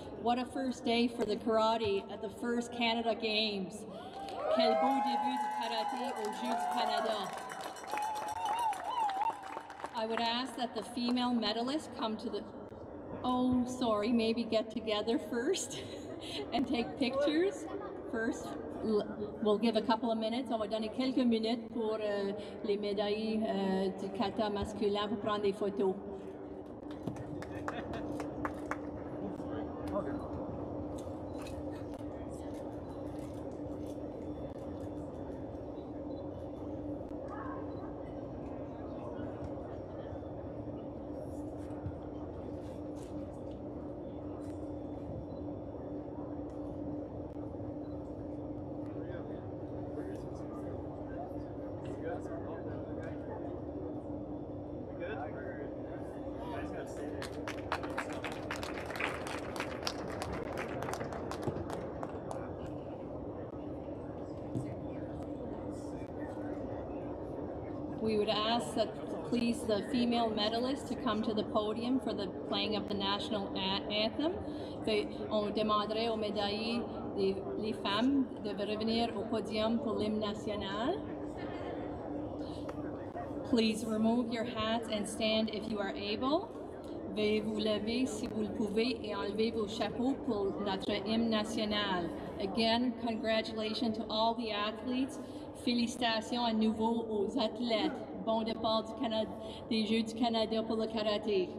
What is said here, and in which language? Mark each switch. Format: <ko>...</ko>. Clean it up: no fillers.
<en>What a first day for the karate at the first Canada Games.</en> <fr>Quel beau début du karaté aux Jeux du Canada.</fr> <en>I would ask that the female medalists come to the... Oh, sorry, maybe get together first and take pictures first. We'll give a couple of minutes.</en> <fr>On va donner quelques minutes pour les médailles du kata masculin pour prendre des photos.</fr> <en>We would ask that please the female medalists to come to the podium for the playing of the national anthem.</en> <fr>On demanderait aux médaillées les femmes de revenir au podium pour l'hymne national.</fr> <en>Please remove your hats and stand if you are able.</en> <fr>veuillez vous lever si vous le pouvez et enlever vos chapeaux pour notre hymne national.</fr> <en>Again, congratulations to all the athletes.</en> <fr>Félicitations à nouveau aux athlètes. Bon départ du Canada, des Jeux du Canada pour le karaté.</fr>